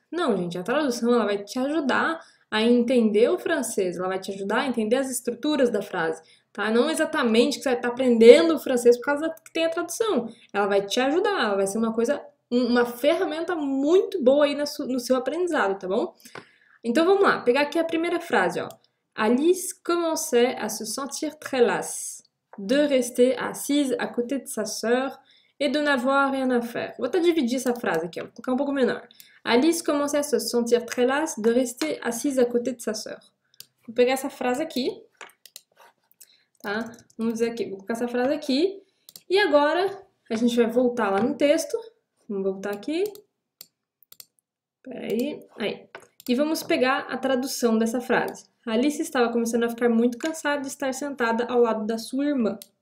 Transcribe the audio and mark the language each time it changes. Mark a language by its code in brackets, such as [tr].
[pt] Não, gente, a tradução ela vai te ajudar a entender o francês, ela vai te ajudar a entender as estruturas da frase, tá? Não exatamente que você vai estar aprendendo o francês por causa que tem a tradução. Ela vai te ajudar, ela vai ser uma coisa. Uma ferramenta muito boa aí no seu aprendizado, tá bom? Então vamos lá, pegar aqui a primeira frase, ó. [fr] Alice commençait à se sentir très lasse de rester assise à côté de sa sœur et de n'avoir rien à faire. [pt] Vou até dividir essa frase aqui, ó, vou colocar um pouco menor. [fr] Alice commençait à se sentir très lasse de rester assise à côté de sa sœur. [pt] Vou pegar essa frase aqui, tá? Vamos dizer aqui, vou colocar essa frase aqui. E agora a gente vai voltar lá no texto. Vamos voltar aqui. Peraí. Aí. E vamos pegar a tradução dessa frase. Alice estava começando a ficar muito cansada de estar sentada ao lado da sua irmã.